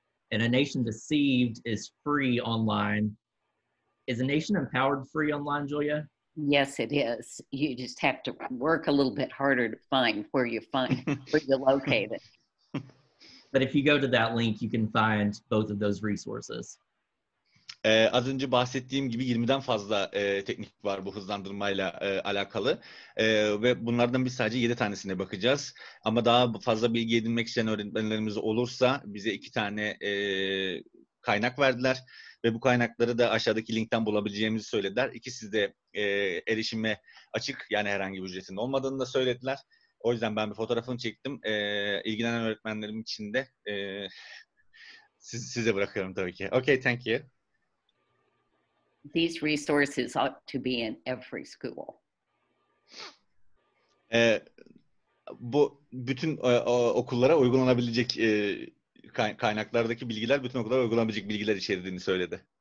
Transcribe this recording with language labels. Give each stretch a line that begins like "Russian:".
English: And A Nation Deceived is free online. Is A Nation Empowered free online, Julia? Yes, it is. You just have to work a little bit harder to find where you find where you locate it. But if you go to that link, you can find both of those resources.
Turkish: Az önce bahsettiğim gibi 20'den fazla teknik var bu hızlandırmayla alakalı ve bunlardan biz sadece 7 tanesine bakacağız. Ama daha fazla bilgi edinmek isteyen öğretmenlerimiz olursa bize 2 tane kaynak verdiler ve bu kaynakları da aşağıdaki linkten bulabileceğimizi söylediler. İkisi de erişime açık, yani herhangi bir ücretin olmadığını da söylediler. O yüzden ben bir fotoğrafını çektim. İlgilenen öğretmenlerim için de size bırakıyorum tabii ki.
English: Okay, thank you. These resources ought to be in every school.
Turkish: Bu bütün okullara uygulanabilecek kaynaklardaki bilgiler, bütün okullara uygulanabilecek bilgiler içerdiğini söyledi.